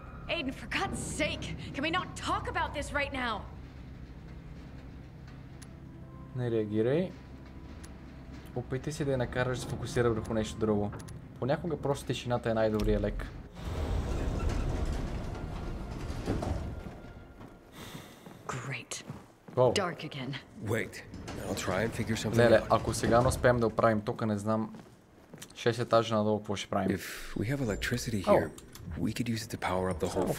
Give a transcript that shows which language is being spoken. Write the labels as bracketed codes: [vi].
[en] Aiden, for God's sake, can we not talk about this right now? [bg] Не реагирай. Опитай се да я накараш да се фокусира върху нещо друго. Понякога просто тишината е най-добрия лек. [en] Great. Wow. Dark again. Wait. I'll try and figure something. [bg] Не, ако сега не успеем да оправим тока, не знам 6 етажа надолу какво ще правим. [en] If we have electricity here, we could use it to power up the whole floor.